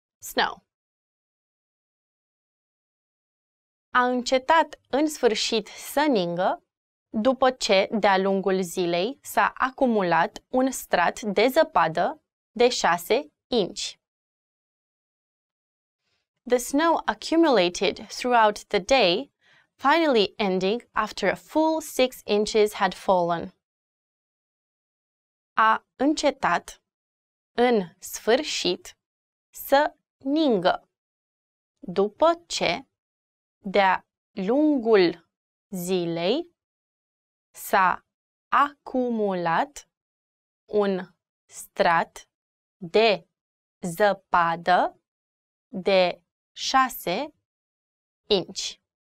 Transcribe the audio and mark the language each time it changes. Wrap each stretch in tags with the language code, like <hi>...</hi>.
<en>Snow.</en> <ro>A încetat în sfârșit să ningă după ce de-a lungul zilei s-a acumulat un strat de zăpadă de 6 inci.</ro> <en>The snow accumulated throughout the day, finally ending after a full 6 inches had fallen.</en> <ro>A încetat în sfârșit să ningă după ce de-a lungul zilei s-a acumulat un strat de zăpadă de 6 inci.</ro>